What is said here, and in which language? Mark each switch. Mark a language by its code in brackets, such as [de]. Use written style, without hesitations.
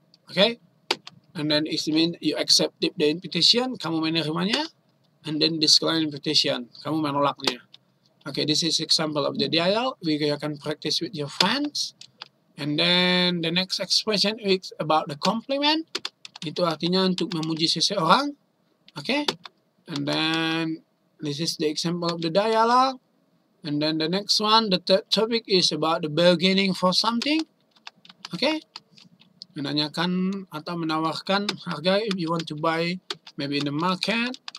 [en] Okay, and then it means you accept the invitation, [id] kamu menerimanya. [en] And then decline invitation. [id] Kamu menolaknya. [en] Okay, this is example of the dialogue. We can practice with your friends. And then the next expression is about the compliment. [id] Itu artinya untuk memuji seseorang. [en] Okay. And then this is the example of the dialogue. And then the next one, the third topic is about the bargaining for something. Okay. [id] Menanyakan atau menawarkan harga [en] if you want to buy maybe in the market.